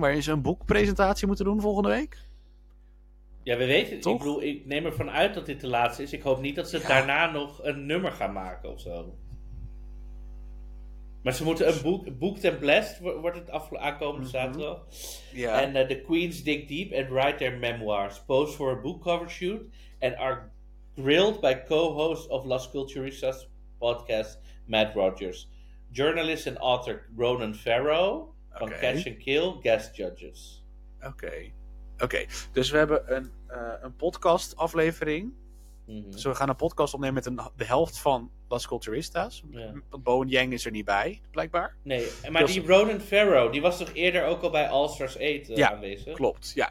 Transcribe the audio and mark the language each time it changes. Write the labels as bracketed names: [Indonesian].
[Dutch] Waarin ze een boekpresentatie moeten doen volgende week. Ja, we weten het. Ik bedoel, ik neem ervan uit dat dit de laatste is. Ik hoop niet dat ze daarna nog een nummer gaan maken of zo. Maar ze moeten een boek. Booked and Blessed wordt het aankomende zaterdag. Ja. [English] En The Queens dig deep and write their memoirs. Pose for a book cover shoot. And are grilled by co-host of Las Culturistas podcast, Matt Rogers. Journalist and author Ronan Farrow van Catch and Kill, guest judges. [Dutch] Oké. Dus we hebben een podcast aflevering. Mm-hmm. Dus we gaan een podcast opnemen met de helft van Las Culturistas. Ja. Want Bowen Yang is er niet bij, blijkbaar. Nee, maar die Ronan Farrow, die was toch eerder ook al bij All Stars 8 aanwezig? Ja, klopt. Ja.